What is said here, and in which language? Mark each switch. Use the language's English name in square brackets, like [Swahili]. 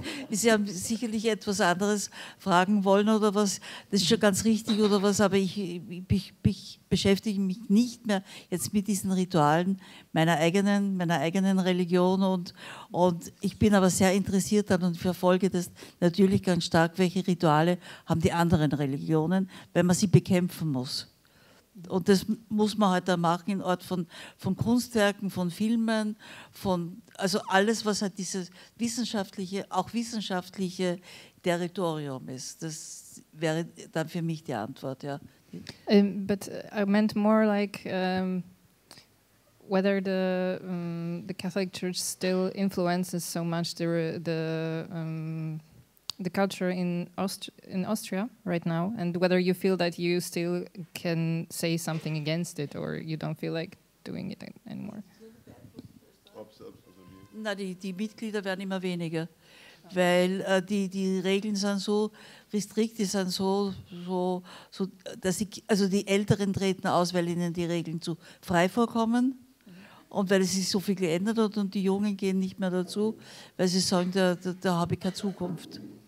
[German] Sie haben sicherlich etwas anderes fragen wollen oder was, das ist schon ganz richtig oder was, aber ich beschäftige mich nicht mehr jetzt mit diesen Ritualen meiner eigenen Religion und ich bin aber sehr interessiert daran und verfolge das natürlich ganz stark, welche Rituale haben die anderen Religionen, wenn man sie bekämpfen muss. Und das muss man halt auch machen in Ort von Kunstwerken, von Filmen, von also alles, was halt dieses wissenschaftliche Territorium ist. Das wäre dann für mich die Antwort, ja. [English] But I meant more like whether the Catholic Church still influences so much the culture in Austria right now, and whether you feel that you still can say something against it or you don't feel like doing it anymore. [German] Na, die Mitglieder werden immer weniger, weil die Regeln sind so restrikt, die sind so dass sie, also die Älteren treten aus, weil ihnen die Regeln zu frei vorkommen. Und weil es sich so viel geändert hat und die Jungen gehen nicht mehr dazu, weil sie sagen, da habe ich keine Zukunft.